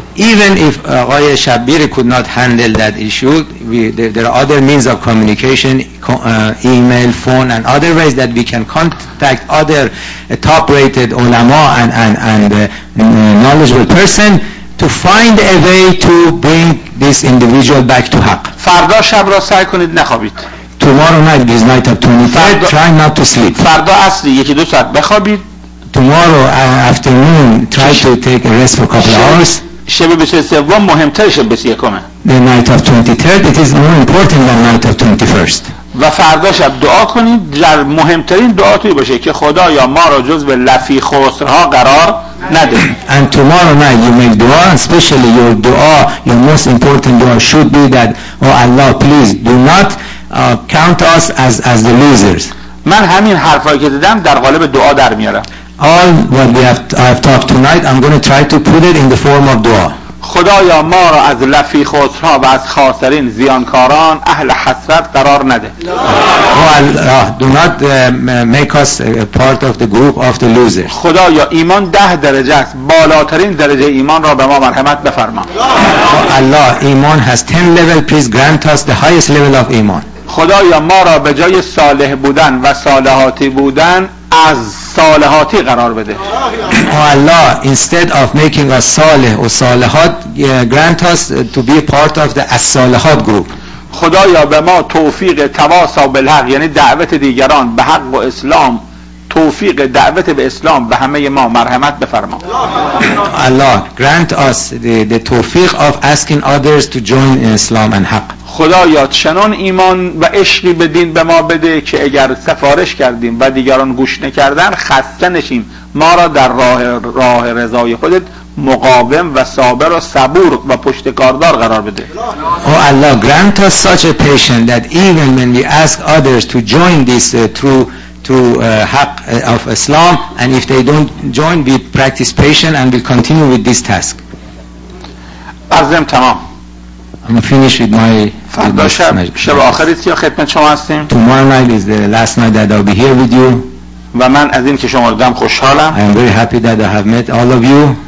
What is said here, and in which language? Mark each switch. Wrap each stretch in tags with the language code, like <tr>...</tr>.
<en>Even if آقای Shabbir could not handle that issue, there are other means of communication, email, phone and other ways that we can contact other top rated ulama and knowledgeable person to find a way to bring this individual back to haq.</en> <fa>فردا شب را سعی کنید نخوابید.</fa> <en>Tomorrow night, this night of 25, try not to sleep.</en> <fa>فردا عصر یکی دو ساعت بخوابید.</fa> <en>Tomorrow afternoon, try to take a rest for a couple of hours.</en> <fa>شب 23 مهمتر شب 21.</fa> <en>The night of 23rd, it is more important than night of 21st.</en> <fa>و فردا شب دعا کنید، در مهمترین دعا توی باشه که خدا یا ما را جز به لفی خسرها قرار نده.</fa> <en>And tomorrow night you make dua, especially your dua, your most important dua should be that, oh Allah, please do not count us as the losers.</en> <fa>من همین حرفایی که دیدم در قالب دعا در میارم.</fa> <en>All what we have talked tonight, I'm going to try to put it in the form of dua.</en> <fa>خدایا ما را از لفی خسرها و از خاسرین زیانکاران اهل حسرت قرار نده. لا.</fa> <en>Oh Allah, do not make us part of the group of the losers.</en> <fa>خدایا ایمان 10 درجه است. بالاترین درجه ایمان را به ما مرحمت بفرما.</fa> <en>Oh Allah, ایمان has 10 level. Please grant us the highest level of ایمان.</en> <fa>خدایا ما را به جای صالح بودن و صالحاتی بودن از صالحاتی قرار بده.</fa> <en>Oh Allah, instead of making us</en> <fa>صالح و صالحات,</fa> <en>grant us to be part of the as-salihat group.</en> <fa>خدایا به ما توفیق تواصا بالحق، یعنی دعوت دیگران به حق و اسلام، توفیق دعوت به اسلام به همه ما مرحمت بفرما.</fa> <en>Allah, grant us the توفیق of asking others to join in Islam and حق.</en> <fa>خدایا چنان ایمان و عشقی به دین به ما بده که اگر سفارش کردیم و دیگران گوش نکردن خسته نشیم، ما را در راه رضای خودت مقاوم و صابر و صبور و پشتکاردار قرار بده.</fa> <en>Oh Allah, grant us such a patience that even when we ask others to join this haq of Islam, and if they don't join, we practice patience and we'll continue with this task.</en> <fa>عزم تمام.</fa> <en>I'm finished with my</en> <fa>فردا شب آخری است یا خدمت شما هستیم.</fa> <en>Tomorrow night is the last night that I'll be here with you.</en> <fa>و من از این که شما رو دیدم خوشحالم.</fa> <en>I'm very happy that I have met all of you.</en>